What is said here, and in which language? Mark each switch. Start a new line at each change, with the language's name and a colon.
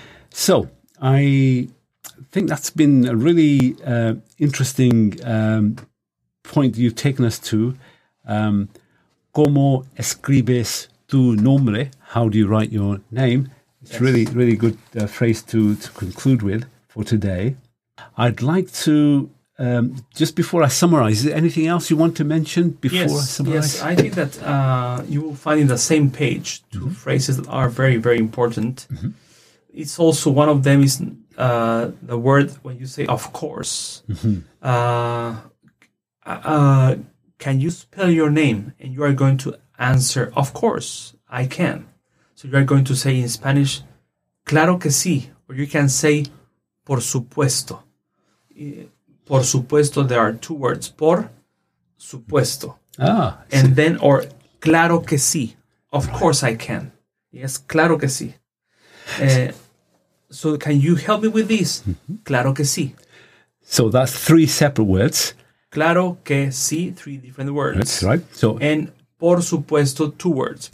English: So, I think that's been a really interesting point you've taken us to.
Spanish: ¿Cómo escribes tu nombre?
English: How do you write your name? It's yes. Really, really good phrase to conclude with for today. I'd like to, just before I summarize, is there anything else you want to mention before yes, I summarize? Yes, I think that you will find in the same page two mm-hmm. phrases that are very, very important. Mm-hmm. It's also one of them is the word when you say, of course. Mm-hmm. Can you spell your name? And you are going to answer, of course, I can. So you are going to say in Spanish,
Spanish: claro que sí.
English: Or you can say,
Spanish: por supuesto.
English: Por supuesto, there are two words, por supuesto. Ah. And then, or
Spanish: claro que sí.
English: Of course I can.
Spanish: Yes, claro que sí.
English: So can you help me with this?
Spanish: Mm-hmm. Claro que sí.
English: So that's three separate words.
Spanish: Claro que sí,
English: three different words. That's right. So and
Spanish: por supuesto,
English: two words.